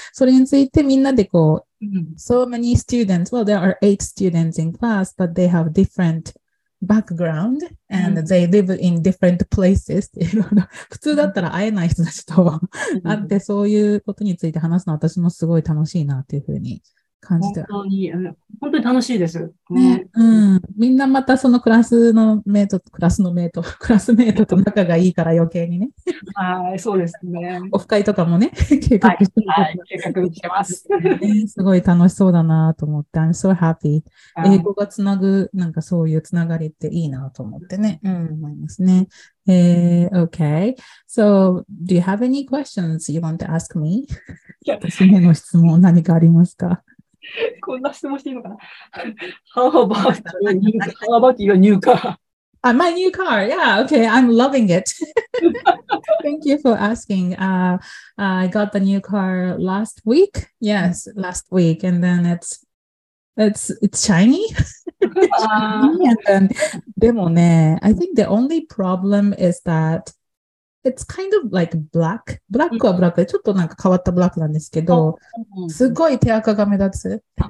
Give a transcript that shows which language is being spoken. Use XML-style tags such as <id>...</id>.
<ja>それについてみんなでこう、</ja> <en>So many students, well, there are 8 students in class, but they have differentbackground and they live in different places.</en> <ja>普通だったら会えない人たちと会って、そういうことについて話すのは私もすごい楽しいなっていうふうに感じて、本当に楽しいです、ね、うん、みんなまたそのクラスメイトと仲がいいから余計にね。はい、そうですね。オフ会とかもね、計画して、はいはい、計画してます、ね、すごい楽しそうだなと思って</ja> <en>I'm so happy。</en> <ja>英語がつなぐ、なんかそういうつながりっていいなと思ってね、うん、思いますね。</ja> <en>Okay, so do you have any questions you want to ask me?</en> <ja>私への質問何かありますか？こんな質問していいのかな</ja> <en>How about your new car? My new car, yeah, okay, I'm loving it. Thank you for asking. I got the new car last week. Yes, last week. And then it's shiny. shiny and then,</en> <ja>でもね、</ja> <en>I think the only problem is that it's kind of like black.</en> <ja>Black はブラックで、ちょっとなんか変わったブラックなんですけど、すごい手垢が目立つ。</ja>